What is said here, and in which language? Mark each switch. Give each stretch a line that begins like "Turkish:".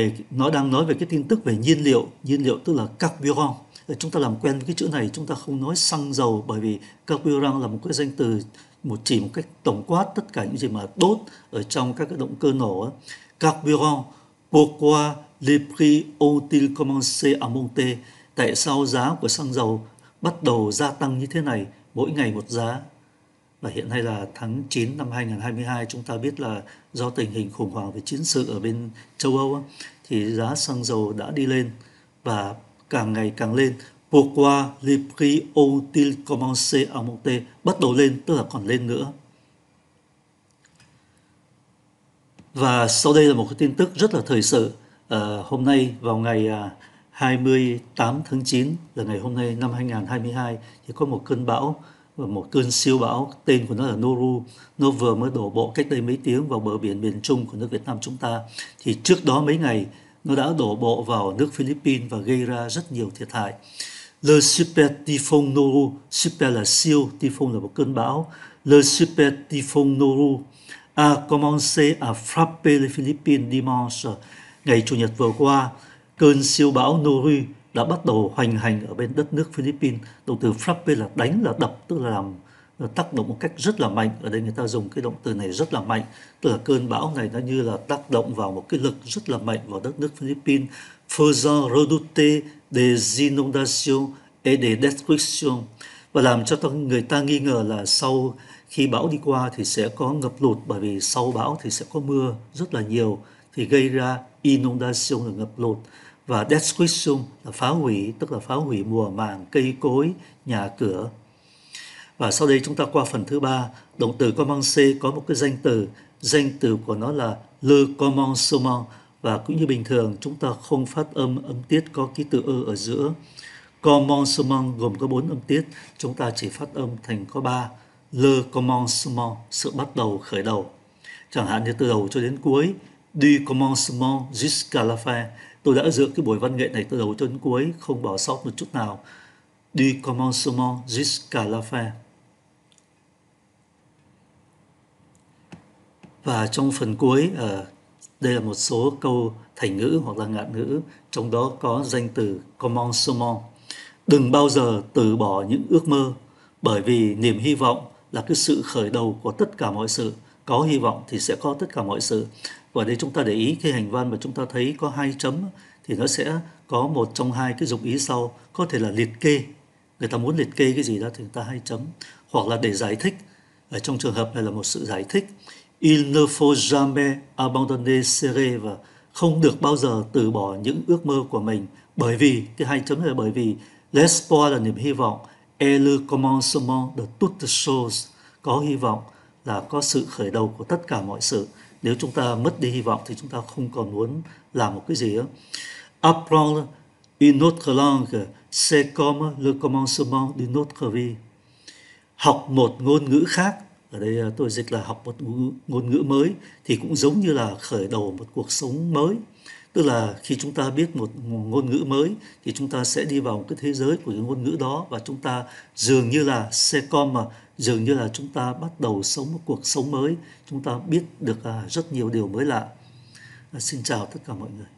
Vietnamese: Nó đang nói về cái tin tức về nhiên liệu tức là carburant. Chúng ta làm quen với cái chữ này, chúng ta không nói xăng dầu bởi vì carburant là một cái danh từ chỉ một cách tổng quát tất cả những gì mà đốt ở trong các cái động cơ nổ.
French: Carburant, pourquoi les prix ont-ils commencé à monter?
Vietnamese: Tại sao giá của xăng dầu bắt đầu gia tăng như thế này, mỗi ngày một giá? Và hiện nay là tháng 9 năm 2022, chúng ta biết là do tình hình khủng hoảng về chiến sự ở bên châu Âu thì giá xăng dầu đã đi lên và càng ngày càng lên.
French: Pourquoi les prix ont-ils commencé à monter?
Vietnamese: Bắt đầu lên, tức là còn lên nữa. Và sau đây là một cái tin tức rất là thời sự. Hôm nay vào ngày 28 tháng 9 là ngày hôm nay năm 2022 thì có một cơn bão và một cơn siêu bão tên của nó là Noru, nó vừa mới đổ bộ cách đây mấy tiếng vào bờ biển miền Trung của nước Việt Nam chúng ta. Thì trước đó mấy ngày nó đã đổ bộ vào nước Philippines và gây ra rất nhiều thiệt hại. Le Super Typhoon Noru, Super là siêu, Typhoon là một cơn bão.
French: Le Super Typhoon Noru a commencé à frapper les Philippines dimanche,
Vietnamese: ngày Chủ nhật vừa qua. Cơn siêu bão Noru đã bắt đầu hoành hành ở bên đất nước Philippines. Động từ frappe là đánh, là đập, tức là làm là tác động một cách rất là mạnh. Ở đây người ta dùng cái động từ này rất là mạnh. Tức là cơn bão này nó như là tác động vào một cái lực rất là mạnh vào đất nước Philippines.
French: Faisant redouter des inondations et des destructions.
Vietnamese: Và làm cho người ta nghi ngờ là sau khi bão đi qua thì sẽ có ngập lụt, bởi vì sau bão thì sẽ có mưa rất là nhiều, thì gây ra inundation là ngập lụt, và destruction là phá hủy, tức là phá hủy mùa màng, cây cối, nhà cửa. Và sau đây chúng ta qua phần thứ ba, động từ commencer có một cái danh từ của nó là le commencement, và cũng như bình thường chúng ta không phát âm âm tiết có ký tự ơ ở giữa. Commencement gồm có bốn âm tiết, chúng ta chỉ phát âm thành có ba, le commencement, sự bắt đầu, khởi đầu. Chẳng hạn như từ đầu cho đến cuối,
French: du commencement jusqu'à la fin.
Vietnamese: Tôi đã dựa cái buổi văn nghệ này từ đầu cho đến cuối, không bỏ sót một chút nào.
French: Du commencement jusqu'à la fin.
Vietnamese: Và trong phần cuối, đây là một số câu thành ngữ hoặc là ngạn ngữ, trong đó có danh từ commencement. Đừng bao giờ từ bỏ những ước mơ, bởi vì niềm hy vọng là cái sự khởi đầu của tất cả mọi sự. Có hy vọng thì sẽ có tất cả mọi sự. Và đây chúng ta để ý cái hành văn mà chúng ta thấy có hai chấm thì nó sẽ có một trong hai cái dụng ý sau, có thể là liệt kê, người ta muốn liệt kê cái gì đó thì người ta hai chấm, hoặc là để giải thích, ở trong trường hợp này là một sự giải thích.
French: Il ne faut jamais abandonner ses rêves,
Vietnamese: và không được bao giờ từ bỏ những ước mơ của mình, bởi vì cái hai chấm này là bởi vì l'espoir là niềm hy vọng,
French: et le commencement de toutes choses,
Vietnamese: có hy vọng là có sự khởi đầu của tất cả mọi sự. Nếu chúng ta mất đi hy vọng thì chúng ta không còn muốn làm một cái gì đó.
French: Apprendre une autre langue, c'est comme le commencement d'une autre vie.
Vietnamese: Học một ngôn ngữ khác, ở đây tôi dịch là học một ngôn ngữ mới, thì cũng giống như là khởi đầu một cuộc sống mới. Tức là khi chúng ta biết một ngôn ngữ mới thì chúng ta sẽ đi vào một cái thế giới của cái ngôn ngữ đó, và chúng ta dường như là
French: c'est comme
Vietnamese: mà dường như là chúng ta bắt đầu sống một cuộc sống mới, chúng ta biết được rất nhiều điều mới lạ. Xin chào tất cả mọi người.